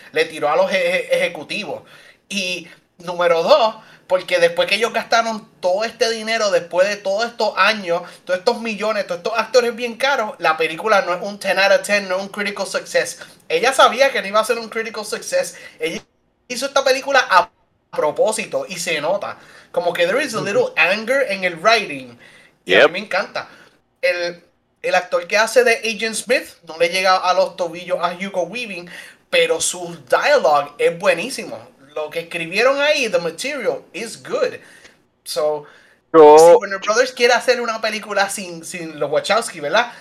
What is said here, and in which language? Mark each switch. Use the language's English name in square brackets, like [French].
[Spanish] Le tiró a los ejecutivos. Y número 2, porque después que ellos gastaron todo este dinero, después de todos estos años, todos estos millones, todos estos actores bien caros, la película no es un [English] 10 out of 10, [Spanish] no es un critical success. Ella sabía que no iba a ser un critical success. Ella hizo esta película a propósito y se nota. Como que [English] there is a little anger in the writing. [Spanish] Yep. Y a mí me encanta. El actor que hace de Agent Smith no le llega a los tobillos a Hugo Weaving, pero su dialogue es buenísimo. Lo que escribieron ahí, [English] the material, is good. So, [Spanish] yo, si Warner Brothers quiere hacer una película sin los Wachowski, ¿verdad?